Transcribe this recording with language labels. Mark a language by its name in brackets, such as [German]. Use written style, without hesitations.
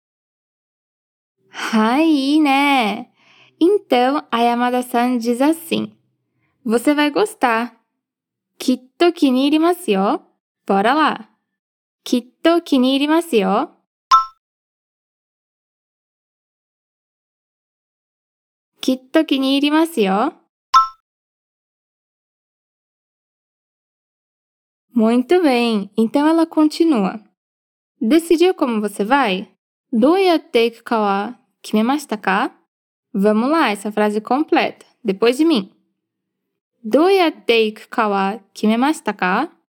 [Japanese] あ、山田さん。はい、すごく楽しみです。はい、いいね。 [Portuguese] Então, a Yamada-san diz assim. Você vai gostar. [Japanese] きっと気に入りますよ. [Portuguese] Bora lá. [Japanese] きっと気に入りますよ. きっと気に入りますよ. [Portuguese] Muito bem, então ela continua. Decidiu como você vai? [Japanese] どうやって行くかは決めましたか? [Portuguese] Vamos lá, essa frase completa, depois de mim. [Japanese] どうやって行くかは決めましたか?